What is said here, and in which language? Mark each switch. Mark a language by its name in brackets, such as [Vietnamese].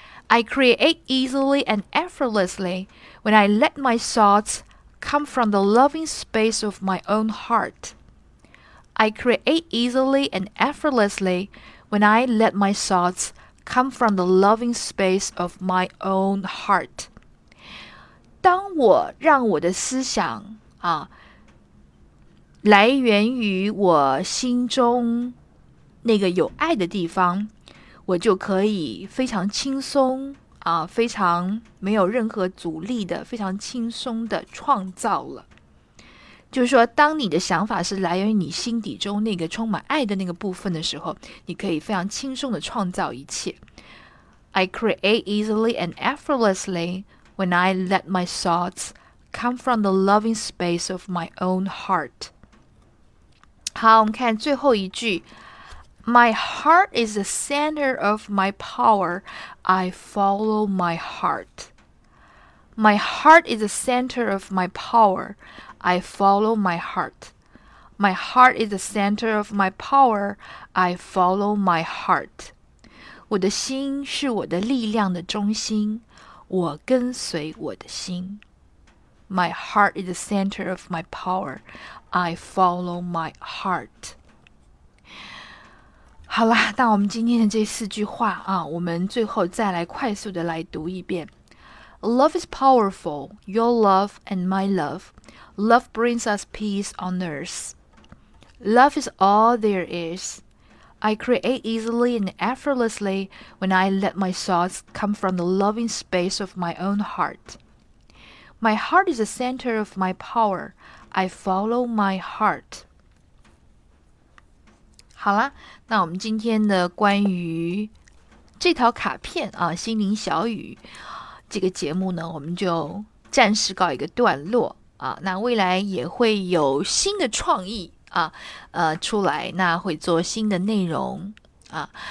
[English] I create easily and effortlessly when I let my thoughts come from the loving space of my own heart. I create easily and effortlessly when I let my thoughts come from the loving space of my own heart. [Chinese] 当我让我的思想啊，来源于我心中那个有爱的地方，我就可以非常轻松啊，非常没有任何阻力的，非常轻松的创造了。就是说，当你的想法是来源于你心底中那个充满爱的那个部分的时候，你可以非常轻松的创造一切。 [English] I create easily and effortlessly when I let my thoughts come from the loving space of my own heart。 [Chinese] 好，我们看最后一句： [English] My heart is the center of my power. I follow my heart. My heart is the center of my power. I follow my heart. My heart is the center of my power. I follow my heart. [Chinese] 我的心是我的力量的中心，我跟随我的心。 [English] My heart is the center of my power. I follow my heart. [Chinese] 好啦，那我们今天的这4句话啊，我们最后再来快速的来读一遍。 [English] Love is powerful, your love and my love. Love brings us peace on earth. Love is all there is. I create easily and effortlessly when I let my thoughts come from the loving space of my own heart. My heart is the center of my power. I follow my heart. [Chinese] 好啦，那我们今天的关于这条卡片啊，心灵小语这个节目呢，我们就暂时告一个段落。啊，那未来也会有新的创意啊，出来，那会做新的内容啊。